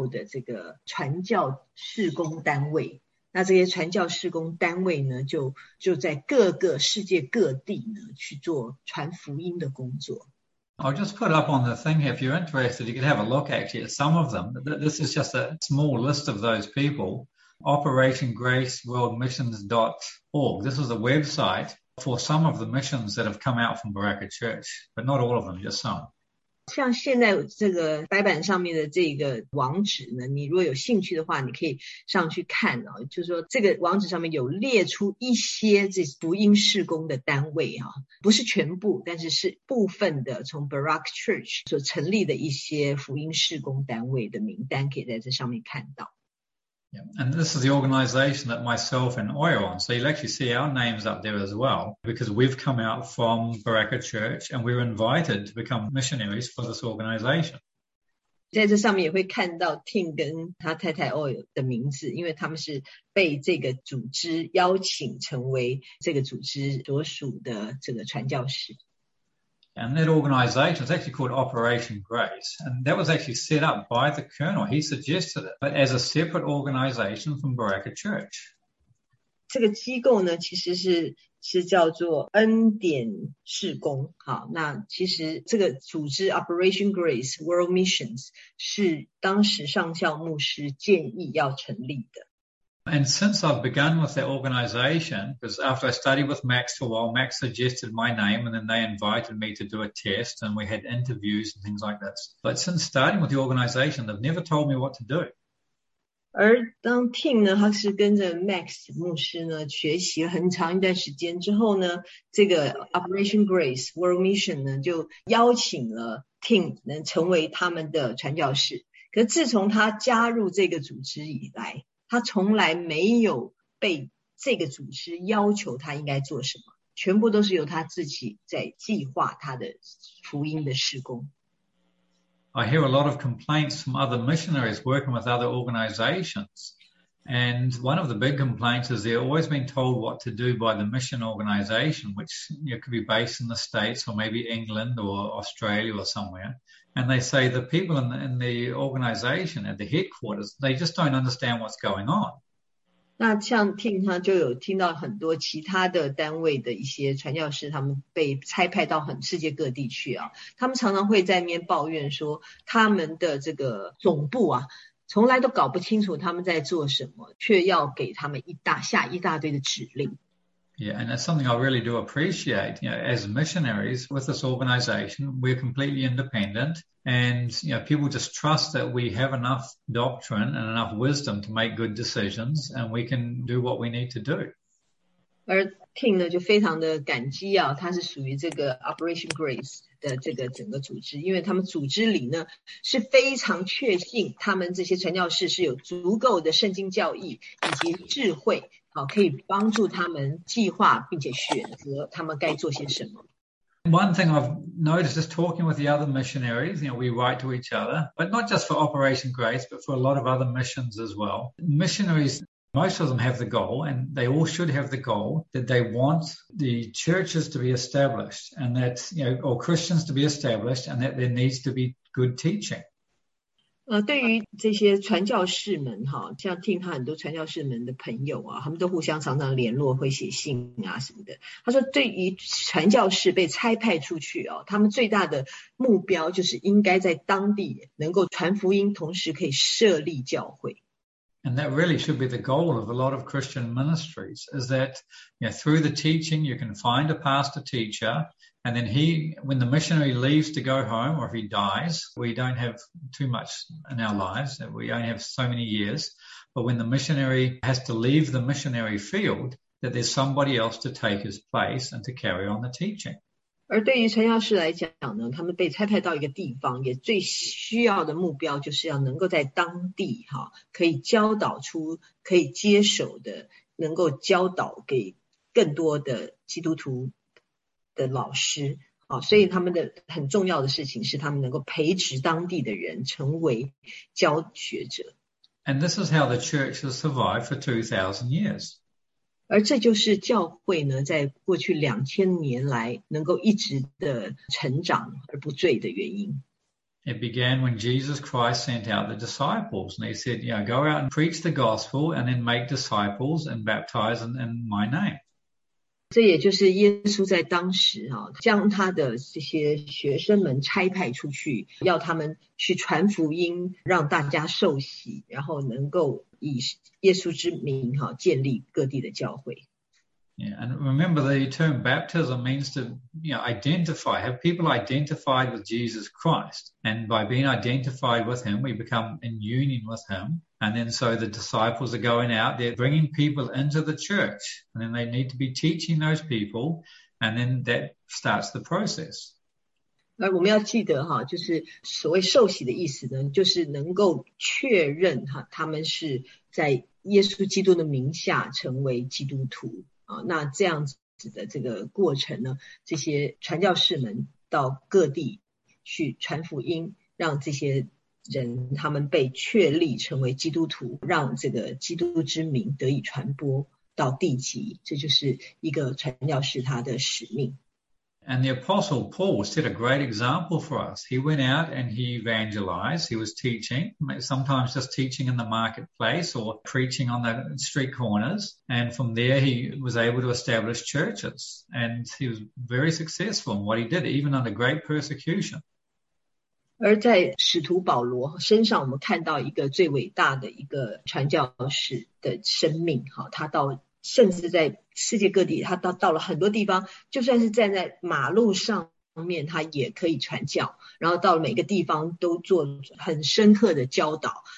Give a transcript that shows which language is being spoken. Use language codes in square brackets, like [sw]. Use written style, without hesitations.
[zh] 20个左右的这个传教事工单位。那这些传教事工单位呢，就在各个世界各地呢去做传福音的工作。 [en] I'll just put up on the thing if you're interested, you can have a look actually at some of them. This is just a small list of those people. OperationGraceWorldMissions.org. This is a website for some of the missions that have come out from Baraka Church, but not all of them, just some. [zh] 像现在这个白板上面的这个网址呢，你如果有兴趣的话，你可以上去看哦。就是说，这个网址上面有列出一些这福音事工的单位啊，不是全部，但是是部分的从 Baraka Church 所成立的一些福音事工单位的名单，可以在这上面看到。 [en] Yeah, and this is the organization that myself and Oi are on. So you'll actually see our names up there as well, because we've come out from Baraka Church and we were invited to become missionaries for this organization. [zh] 在这上面也会看到 Tim 跟他太太 Oi 的名字，因为他们是被这个组织邀请成为这个组织所属的这个传教士。 [en] And that organization is actually called Operation Grace. And that was actually set up by the colonel. He suggested it, but as a separate organization from Baraka Church. [zh] 这个机构呢，其实是叫做恩典事工。好，那其实这个组织 Operation Grace World Missions 是当时上校牧师建议要成立的。 [en] And since I've begun with that organization, because after I studied with Max for a while, Max suggested my name and then they invited me to do a test and we had interviews and things like this. But since starting with the organization, they've never told me what to do. [zh] 而当 Tim 呢，他是跟着 Max 牧师呢学习很长一段时间之后呢，这个 Operation Grace World Mission 呢就邀请了 Tim 能成为他们的传教士。可自从他加入这个组织以来，他从来没有被这个组织要求他应该做什么，全部都是由他自己在计划他的福音的事工。 [en] I hear a lot of complaints from other missionaries working with other organizations. And one of the big complaints is they're always being told what to do by the mission organization, which you know, could be based in the States or maybe England or Australia or somewhere. And they say the people in the organization at the headquarters, they just don't understand what's going on. [zh] 那像 Tim 他就有听到很多其他的单位的一些传教士，他们被差派到很世界各地去啊，他们常常会在那边抱怨说他们的这个总部啊，从来都搞不清楚他们在做什么，却要给他们下一大堆的指令。 [en] Yeah, and that's something I really do appreciate. You know, as missionaries with this organization, we're completely independent. And you know, people just trust that we have enough doctrine and enough wisdom to make good decisions and we can do what we need to do. [zh] 而 Tim 呢就非常的感激啊，他是属于这个 Operation Grace 的这个整个组织，因为他们组织里呢是非常确信他们这些传教士是有足够的圣经教义以及智慧，好，可以帮助他们计划并且选择他们该做些什么。 [en] One thing I've noticed is talking with the other missionaries, you know, we write to each other, but not just for Operation Grace, but for a lot of other missions as well. Missionaries, most of them have the goal, and they all should have the goal, that they want the churches to be established, and that, you know, or Christians to be established, and that there needs to be good teaching. [zh] 对于这些传教士们哈，像听他很多传教士们的朋友啊，他们都互相常常联络，会写信啊什么的。他说，对于传教士被差派出去哦，他们最大的目标就是应该在当地能够传福音，同时可以设立教会。 [en] And that really should be the goal of a lot of Christian ministries, is that you know, through the teaching you can find a pastor teacher, and then he, when the missionary leaves to go home, or if he dies, we don't have too much in our lives, we only have so many years, but when the missionary has to leave the missionary field, that there's somebody else to take his place and to carry on the teaching. [zh] 而对于传教士来讲呢，他们被差派到一个地方，也最需要的目标就是要能够在当地哈，可以教导出可以接手的，能够教导给更多的基督徒的老师。好，所以他们的很重要的事情是他们能够培植当地的人成为教学者。 [en] And this is how the church has survived for 2,000 years. [zh] 而这就是教会呢，在过去2000年来能够一直的成长而不坠的原因。 [en] It began when Jesus Christ sent out the disciples. And he said, you know, go out and preach the gospel and then make disciples and baptize in my name. [zh] 这也就是耶稣在当时啊，将他的这些学生们差派出去，要他们去传福音，让大家受洗，然后能够以耶稣之名啊，建立各地的教会。 [en] Yeah, and remember the term baptism means to, you know, identify, have people identified with Jesus Christ. And by being identified with him, we become in union with him. And then so the disciples are going out, they're bringing people into the church. And then they need to be teaching those people. And then that starts the process. [zh] 而我们要记得哈，就是所谓受洗的意思呢，就是能够确认哈，他们是在耶稣基督的名下成为基督徒。那这样子的这个过程呢，这些传教士们到各地去传福音，让这些人他们被确立成为基督徒，让这个基督之名得以传播到地极，这就是一个传教士他的使命。 [en] And the Apostle Paul set a great example for us. He went out and he evangelized. He was teaching, sometimes just teaching in the marketplace or preaching on the street corners. And from there, he was able to establish churches. And he was very successful in what he did, even under great persecution. [zh] 而在使徒保罗身上，我们看到一个最伟大的一个传教士的生命。好，他到甚至在世界各地，他到了很多地方，就算是站在马路上面，他也可以传教，然后到每个地方都做很深刻的教导。